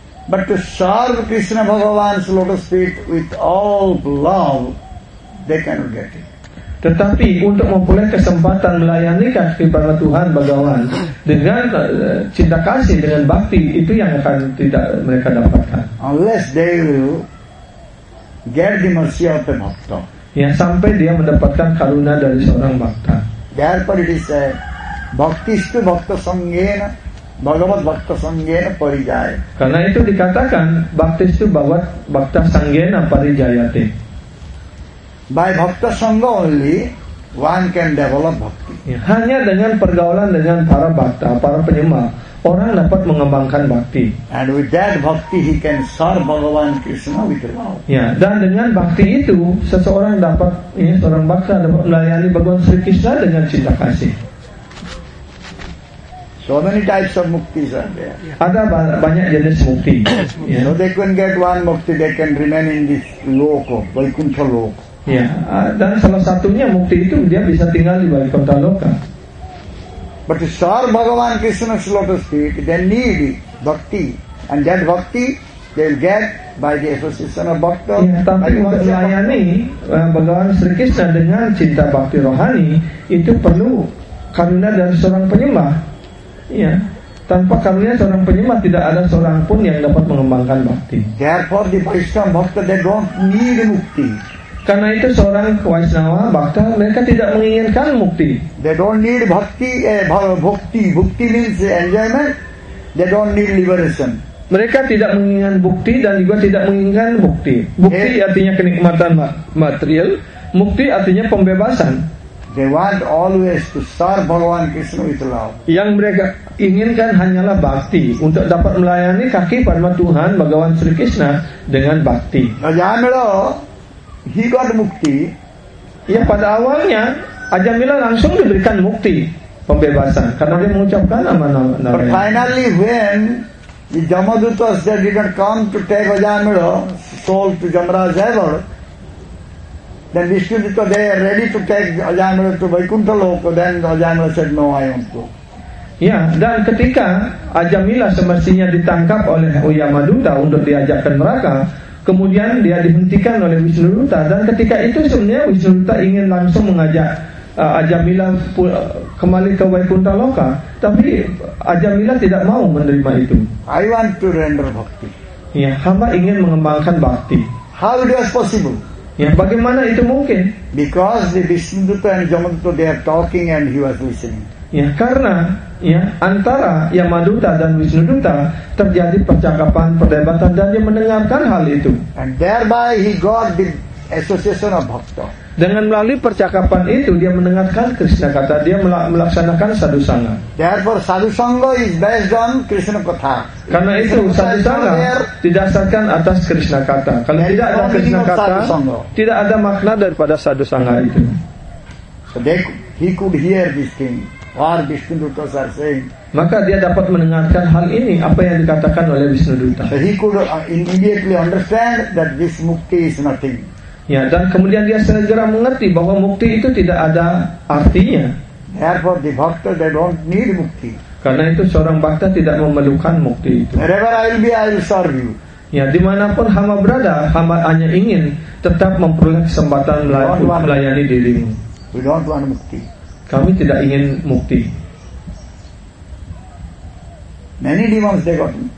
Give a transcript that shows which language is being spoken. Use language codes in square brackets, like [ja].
[en] But to serve Krishna Bhagavan's lotus feet with all love, they cannot get it. [id] Tetapi untuk memperoleh kesempatan melayani kepada Tuhan Bhagavan dengan cinta kasih, dengan bakti, itu yang akan tidak mereka dapatkan. [en] Unless they will get the mercy of the bhakta. [id] Yang sampai dia mendapatkan karuna dari seorang bhakta. [en] Therefore it is said, [sa] bhaktistu bhakta sangena, bhagavat bhakta sangena parijaya. [id] Karena itu dikatakan, [sa] bhaktistu bhagavat bhakta sangena parijayate. [en] By bhakta sangha only one can develop bhakti. [id] Hanya dengan pergaulan dengan para bhakta, para penyembah, orang dapat mengembangkan bhakti. [en] And with that bhakti he can serve Bhagavan Krishna with love. [id] Ya, dan dengan bhakti itu seseorang dapat, ya, seorang bhakta dapat melayani Bhagavan Sri Krishna dengan cinta kasih. [en] So many types of mukti are there. [id] Ada banyak jenis mukti. [en] Yeah. So they can get one mukti, they can remain in this loka, Vaikuntha loka. [id] Ya, dan salah satunya mukti itu dia bisa tinggal di Vaikuntha loka. [en] But to serve Bhagavan Krishna's lotus feet, they need bhakti, and that bhakti they'll get by the association of bhakta. [id] Ya, tapi untuk melayani Bhagavan Sri Krishna dengan cinta bhakti rohani itu perlu karunia dari seorang penyembah. Ya, tanpa karunia seorang penyembah tidak ada seorang pun yang dapat mengembangkan bhakti. [en] Therefore, the Vaishnava bhakta they don't need mukti. [id] Karena itu seorang Vaisnava bhakta mereka tidak menginginkan mukti. [en] They don't need bhakti, bhakti. Bhakti means enjoyment. They don't need liberation. [id] Mereka tidak menginginkan bukti dan juga tidak menginginkan mukti. Bukti artinya kenikmatan material. Mukti artinya pembebasan. [en] They want always to serve Bhagavan Krishna with love. [id] Yang mereka inginkan hanyalah bhakti untuk dapat melayani kaki Padma Tuhan Bhagavan Sri Krishna dengan bhakti. [en] Ajamilo, he got mukti. [id] Ya, pada awalnya Ajamila langsung diberikan mukti pembebasan karena dia mengucapkan nama nama. [en] But finally when the Jamadutas they didn't come to take Ajamila soul to Jamraj ever, then Vishnudita they are ready to take Ajamila to Vaikuntha loka, then Ajamila said no, I won't go. [id] Ya, dan ketika Ajamila semestinya ditangkap oleh Uyamaduta untuk diajak ke neraka, kemudian dia dihentikan oleh Vishnudutta, dan ketika itu sebenarnya Vishnudutta ingin langsung mengajak Ajamila kembali ke Vaikuntha loka, tapi Ajamila tidak mau menerima itu. [en] I want to render bhakti. [id] Ya, hamba ingin mengembangkan bhakti. [en] How it is possible? [id] Ya, bagaimana itu mungkin? [en] Because the Vishnudutta and Jamadutta they are talking and he was listening. [id] Ya, karena ya antara Yamaduta dan Vishnuduta terjadi percakapan perdebatan dan dia mendengarkan hal itu. [en] And thereby he got the association of bhakta. [id] Dengan melalui percakapan itu dia mendengarkan Krishna kata, dia melaksanakan sadhu sangha. [en] Therefore sadhu sangha is based on Krishna katha. [id] Karena itu sadhu sangha didasarkan atas Krishna kata. Kalau tidak ada Krishna kata, tidak ada makna daripada sadhu sangha itu. [en] So he could hear this thing. What Vishnudutta are saying. [id] Maka dia dapat mendengarkan hal ini, apa yang dikatakan oleh Vishnudutta. [en] So he could immediately understand that this mukti is nothing. [id] Ya, dan kemudian dia segera mengerti bahwa mukti itu tidak ada artinya. [en] Therefore the bhakta they don't need mukti. [id] Karena itu seorang bhakta tidak memerlukan mukti itu. [en] Wherever I will be, I will serve you. [id] Ya, dimanapun hamba berada, hamba hanya ingin tetap memperoleh kesempatan melayani dirimu. [en] We don't want mukti. [id] Kami tidak ingin mukti. [en] Many demons they got.